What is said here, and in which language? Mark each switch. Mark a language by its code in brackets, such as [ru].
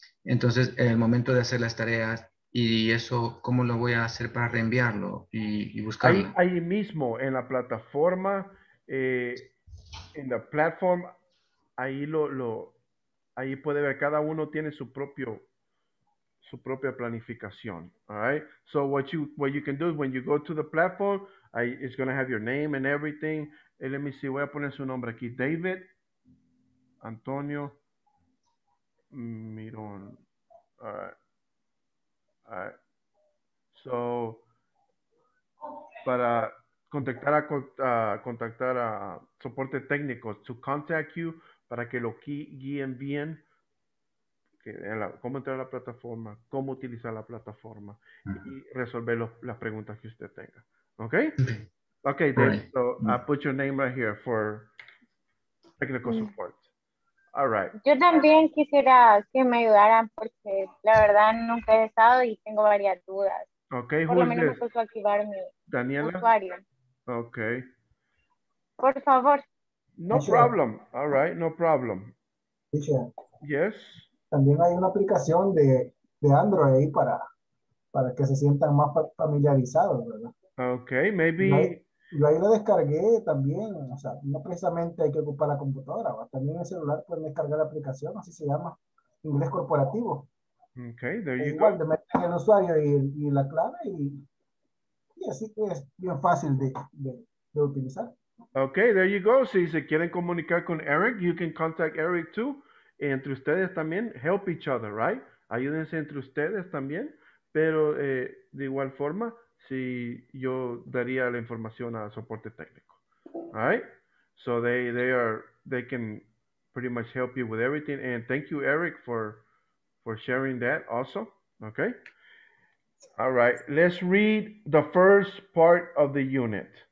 [es] Entonces, el momento de hacer las tareas y eso, ¿cómo lo voy a hacer para reenviarlo y buscarlo? Ahí mismo, en la plataforma, en la platform, ahí lo ahí puede ver, cada uno tiene su propia planificación. [en] All right? So what you can do is when you go to the platform, it's going to have your name and everything. Hey, let me see. [es] Voy a poner su nombre aquí. [en] David Antonio Miron. All right. All right. [es] So para contactar a soporte técnico, [en] to contact you [es] para que lo guíen bien. Cómo entrar a la plataforma, cómo utilizar la plataforma y resolver las preguntas que usted tenga. Okay? [en] Okay, then, so I put your name right here for technical support. All right. [es] Yo también quisiera que me ayudaran porque la verdad nunca he estado y tengo varias dudas. Okay, por lo menos puedo activar mi Daniela? Usuario. Okay. Por favor. [en] No problem. All right, no problem. Yes. [es] También hay una aplicación de Android ahí para que se sientan más familiarizados, ¿verdad? [en] Ok, maybe. [es] Yo ahí la descargué también, o sea, no precisamente hay que ocupar la computadora, ¿verdad? También en el celular pueden descargar la aplicación, así se llama, Inglés Corporativo. [en] Ok, there you [es] igual, [en] go. [es] Igual, te meten el usuario y la clave y así es bien fácil de utilizar. [en] Ok, there you go. [es] Si se quieren comunicar con Eric, [en] you can contact Eric too. [es] Entre ustedes también, [en] help each other, right? [es] Ayúdense entre ustedes también, pero de igual forma, si yo daría la información a soporte técnico, right? [en] So they can pretty much help you with everything. And thank you, Eric, for sharing that also, okay? All right, let's read the first part of the unit.